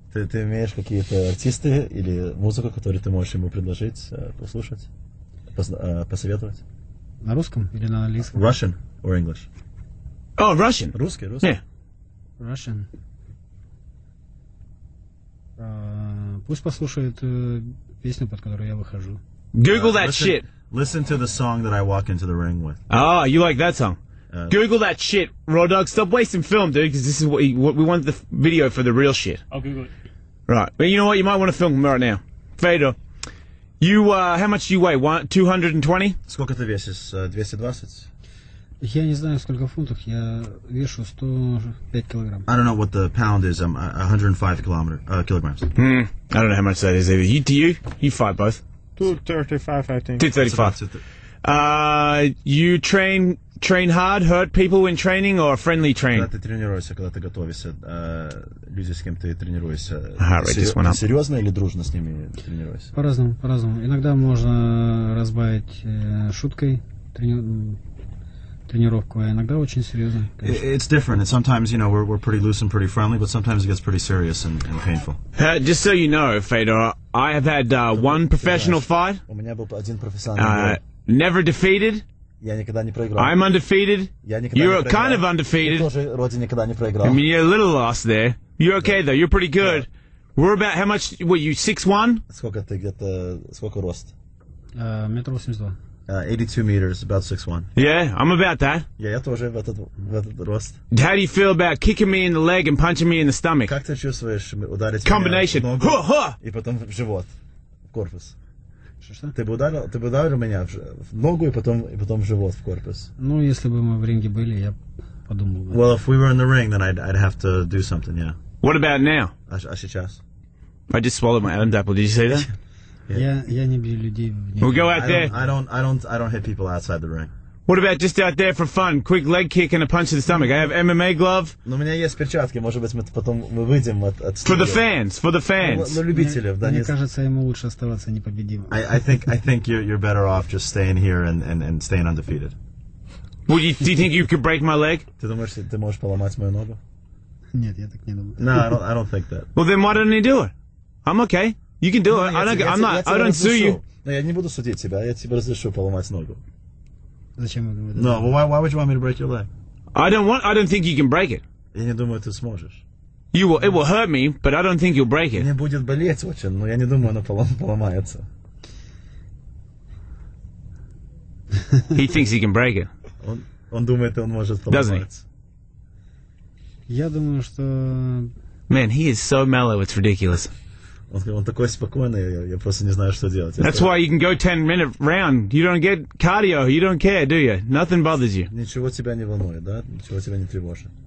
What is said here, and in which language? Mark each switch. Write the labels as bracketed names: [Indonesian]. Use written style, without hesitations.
[Russian] Ты имеешь какие-то артисты или музыку, которую ты можешь ему предложить, послушать, посоветовать? На русском или на английском? [English] Russian or English? Oh, Russian. [Russian] Русский. [English] Yeah. Russian. [Russian] Пусть послушает песню, под которую я выхожу. [English] Google that shit. Listen to the song that I walk into the ring with. Oh, you like that song? Google that shit, Raw Dog. Stop wasting film, dude, because this is what we want the video for, the real shit. I'll Google it. Right. But you know what? You might want to film right now. Fedor, how much do you weigh? 220? [Russian] Сколько ты весишь? 220? Я не знаю, сколько фунтов. Я вешу 105 килограмм. [English] I don't know what the pound is. I'm 105 kilograms. I don't know how much that is either. You fight both. 235, I think. 235. You train hard, hurt people when training, or friendly train? [Russian] Когда ты тренируешься, когда ты готовишься, люди, с кем ты тренируешься, серьезно или дружно с ними тренируешься? По-разному. Иногда можно разбавить шуткой тренировку, а иногда очень серьезно. [English] It's different. It's sometimes, you know, we're pretty loose and pretty friendly, but sometimes it gets pretty serious and painful. Just so you know, Fedor, I have had one professional fight. [Russian] У меня был один профессиональный бой. [English] Never defeated. [Russian] Я никогда не проиграл. [English] I'm undefeated. [Russian] Я никогда [English] you're [Russian] не проиграл. [English] Kind of undefeated. [Russian] Я тоже вроде никогда не проиграл. [English] I mean, you're a little lost there. You're okay, though. You're pretty good. Yeah. We're about how much... What, you 6'1"? [Russian] Сколько ты где-то... Сколько рост? 1.82 m. [English] 82 meters, about 6'1". Yeah, I'm about that. [Russian] Yeah, я тоже в этот рост. [English] How do you feel about kicking me in the leg and punching me in the stomach? [Russian] Как ты чувствуешь ударить [English] combination. [Russian] Меня в ногу? Ha, ha! И потом в живот, в корпус. Что? Ты бы ударил меня в ногу и потом в живот, в корпус. Ну, если бы мы в ринге были, я подумал бы. [English] Well, if we were in the ring, then I'd have to do something, yeah. What about now? [Russian] А сейчас? [English] I just swallowed my Adam's apple. Did you say that? [Russian] Yeah. Я не бью людей. [English] We'll go out there. I don't hit people outside the ring. What about just out there for fun? Quick leg kick and a punch in the stomach. I have MMA glove. [Russian] Но у меня есть перчатки. Может быть, мы потом выйдем от студии. [English] For the fans. [Russian] Для любителей, да? Мне кажется, ему лучше оставаться непобедимым. [English] I think you're better off just staying here and staying undefeated. Well, do you think you could break my leg? [Russian] Ты думаешь, ты можешь поломать мою ногу? Нет, я так не думаю. [English] No, I don't think that. Well, then why don't you do it? I'm okay. You can do it. I don't sue you. [Russian] Но я не буду судить тебя. Я тебе разрешу поломать ногу. Зачем вы говорите? [English] No, well, why would you want me to break your leg? I don't think you can break it. [Russian] Я не думаю, ты сможешь. [English] It will hurt me, but I don't think you'll break it. [Russian] Мне будет болеть очень, но я не думаю, оно поломается. [English] He thinks he can break it. [Russian] Он думает, он может поломать. Я думаю, что... [English] Man, he is so mellow, it's ridiculous. [Russian] Он такой спокойный, я просто не знаю, что делать. [English] That's why you can go 10-minute round. You don't get cardio, you don't care, do you? Nothing bothers you. [Russian] Ничего тебя не волнует, да? Ничего тебя не тревожит?